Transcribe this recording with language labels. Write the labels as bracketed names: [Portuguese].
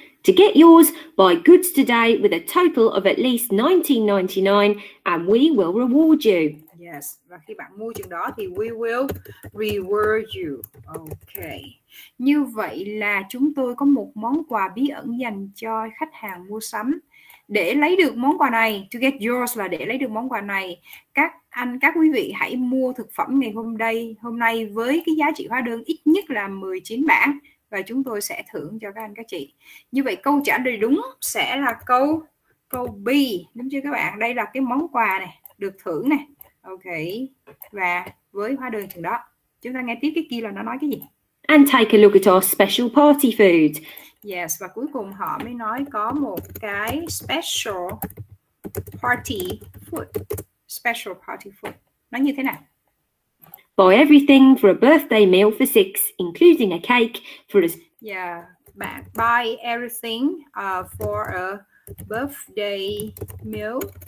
[English] To get yours, buy goods today with a total of at least $19.99 and we will reward you. [Vietnamese] Yes, và khi bạn mua chừng đó thì [English] we will reward you. [Vietnamese] Okay. Như vậy là chúng tôi có một món quà bí ẩn dành cho khách hàng mua sắm. Để lấy được món quà này, [English] to get yours [Vietnamese] là để lấy được món quà này, các anh, các quý vị hãy mua thực phẩm ngày hôm nay với cái giá trị hóa đơn ít nhất là 19 bảng. Và chúng tôi sẽ thưởng cho các anh các chị. Như vậy câu trả lời đúng sẽ là câu B, đúng chưa các bạn? Đây là cái món quà này được thưởng này. Ok, và với hóa đơn chừng đó. Chúng ta nghe tiếp cái kia là nó nói cái gì. [English] And take a look at our special party food. [Vietnamese] Yes, và cuối cùng họ mới nói có một cái special party food. Nó như thế nào? [English] Buy everything for a birthday meal for six, including a cake for a... Yeah, buy everything for a birthday meal.